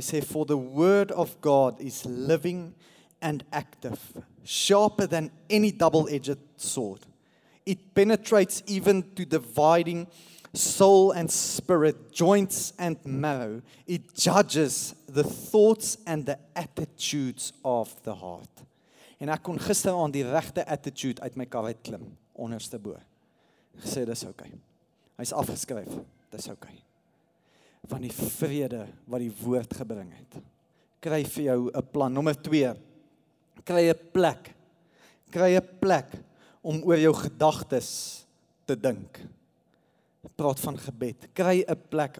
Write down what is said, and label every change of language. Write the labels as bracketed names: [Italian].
[Afrikaans] Hy sê, [English] for the word of God is living and active, sharper than any double-edged sword. It penetrates even to dividing soul and spirit, joints and marrow. It judges the thoughts and the attitudes of the heart. [Afrikaans] En ek kon gister aan die regte attitude uit my kar uitklim, onderste bo. Gesê, dis ok. Hy is afgeskryf, dis ok. Van die vrede wat die woord gebring het. Kry vir jou 'n plan. Nommer 2, kry 'n plek. Kry 'n plek om oor jou gedagtes te dink. Praat van gebed. Kry 'n plek.